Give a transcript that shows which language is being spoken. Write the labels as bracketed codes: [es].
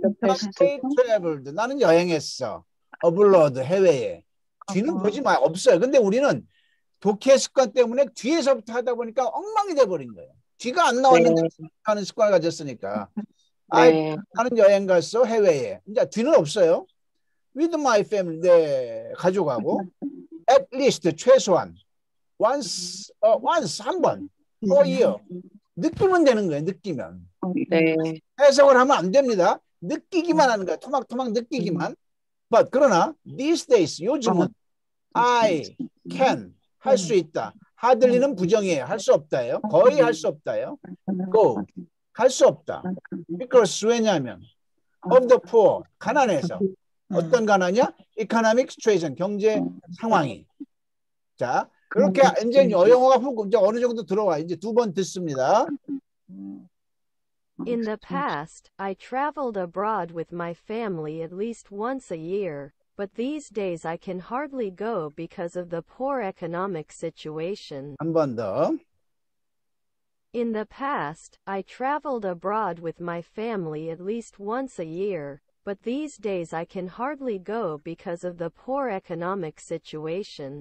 [en] I traveled. [ko] 나는 여행했어. [en] Abroad, [ko] 해외에. 뒤는 보지 마요. 없어요. 근데 우리는 독해 습관 때문에 뒤에서부터 하다 보니까 엉망이 돼버린 거예요. 뒤가 안 나왔는데 네. 하는 습관을 가졌으니까. 네. 나는 여행 갔어, 해외에. 이제 뒤는 없어요. [en] With my family, [ko] 내 가족하고. [en] At least, [ko] 최소한. [en] Once, [ko] 한 번, [en] for a year. [ko] 느끼면 되는 거예요, 느끼면. 네. 해석을 하면 안 됩니다. 느끼기만 하는 거예요, 토막토막 느끼기만. [en] But, [ko] 그러나, [en] these days, [ko] 요즘은, [en] I can, [ko] 할 수 있다. Hardly는 부정이에요, 할 수 없다예요. 거의 할 수 없다예요. [en] Go, [ko] 할 수 없다. [en] Because, [ko] 왜냐하면, [en] of the poor, [ko] 가난해서. 어떤 가난이야? [en] Economic situation, [ko] 경제 상황이. 자, 그렇게 이제 영어가 이제 어느 정도 들어와 이제 두 번 듣습니다. [en] In the past, I traveled abroad with my family at least once a year, but these days I can hardly go because of the poor economic situation. [ko] 한 번 더. [en] In the past, I traveled abroad with my family at least once a year, but these days I can hardly go because of the poor economic situation.